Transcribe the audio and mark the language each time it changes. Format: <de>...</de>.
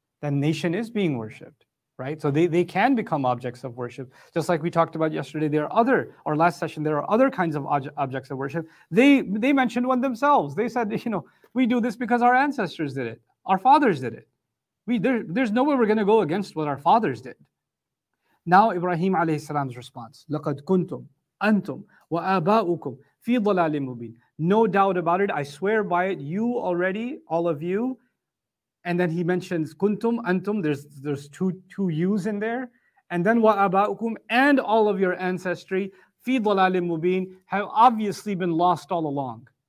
<en>Then nation is being worshipped, right? So they can become objects of worship. Just like we talked about yesterday, there are other, or last session, there are other kinds of objects of worship. They mentioned one themselves. They said, you know, we do this because our ancestors did it. Our fathers did it. There's no way we're going to go against what our fathers did. Now Ibrahim alayhi salam's response:</en> <ar>لَقَدْ كُنْتُمْ أَنْتُمْ وَآبَاؤُكُمْ فِي ضَلَالٍ مُبِينٍ.</ar> <en>No doubt about it. I swear by it. You already, all of you. And then he mentions</en> <ar>كُنْتُمْ أَنْتُمْ.</ar> <en>There's two yous in there. And then</en> <ar>وَآبَاؤُكُمْ,</ar> <en>and all of your ancestry,</en> <ar>فِي ضَلَالٍ مُبِينٍ,</ar> <en>have obviously been lost all along.</en>